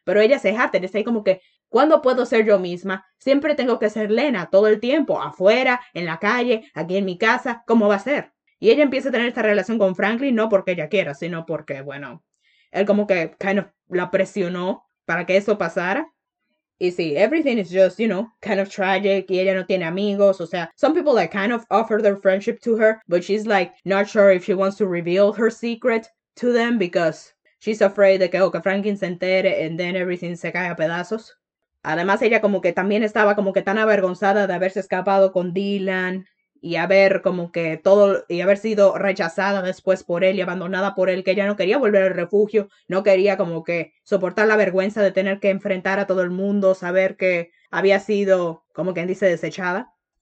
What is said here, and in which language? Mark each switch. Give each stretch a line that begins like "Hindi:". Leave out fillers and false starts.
Spanish: Pero ella se jacta, está ahí como que, ¿cuándo puedo ser yo misma? Siempre tengo que ser Lena todo el tiempo, afuera, en la calle, aquí en mi casa, ¿cómo va a ser? Y ella empieza a tener esta relación con Franklin, no porque ella quiera, sino porque, bueno, él como que
English: kind of
Spanish: la presionó para que eso pasara. Y sí,
English: everything is just, you know, kind of tragic,
Spanish: y ella no tiene amigos, o sea,
English: some people like kind of offer their friendship to her, but she's like not sure if she wants to reveal her secret to them because she's afraid
Spanish: de que, oh, que Franklin se entere
English: and then everything
Spanish: se cae a pedazos. Además, ella como que también estaba como que tan avergonzada de haberse escapado con Dylan y haber como que todo, y haber sido rechazada después por él y abandonada por él, que ella no quería volver al refugio, no quería como que soportar la vergüenza de tener que enfrentar a todo el mundo, saber que había sido, como quien dice, desechada.